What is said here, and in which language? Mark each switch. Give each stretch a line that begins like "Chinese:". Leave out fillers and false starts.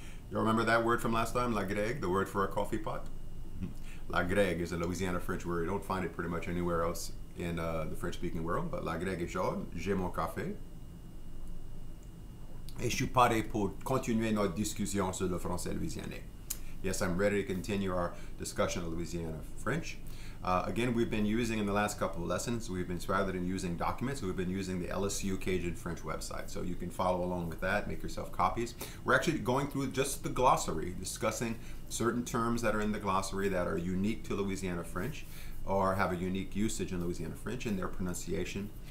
English: You remember that word from last time, la Greg, the word for a coffee pot? La Greg is a Louisiana French word. You don't find it pretty much anywhere else in the French speaking world, but
French: la Greg est chaude, j'ai mon café. Et je suis paré pour continuer notre discussion sur le français louisianais.
English: Yes, I'm ready to continue our discussion of Louisiana French. Again, we've been using, in the last couple of lessons, we've been, rather than using documents, we've been using the LSU Cajun French website. So you can follow along with that, make yourself copies. We're actually going through just the glossary, discussing certain terms that are in the glossary that are unique to Louisiana French or have a unique usage in Louisiana French in their pronunciation.